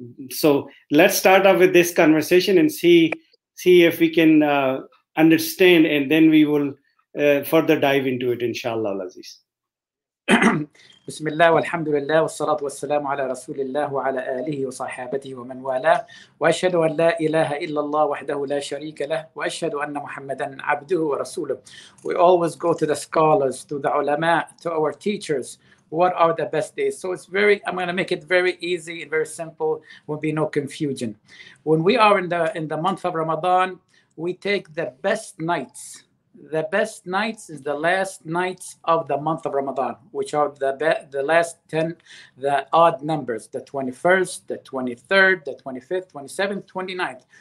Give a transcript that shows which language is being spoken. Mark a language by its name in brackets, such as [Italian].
[English] So let's start off with this conversation and see if we can understand, and then we will further dive into it, inshallah, Aziz. [Arabic] بسم الله والحمد لله والصلاة والسلام على رسول الله وعلى آله وصحابته ومن والاه وأشهد أن لا إله إلا الله وحده لا شريك له وأشهد أن محمدًا عبده ورسوله. [English] We always go to the scholars, to the ulama, to our teachers, what are the best days. So it's very, I'm going to make it very easy and very simple. Will be no confusion. When we are in the month of Ramadan, we take the best nights. The best nights is the last nights of the month of Ramadan, which are the last 10, the odd numbers, the 21st, the 23rd, the 25th, 27th, 29th.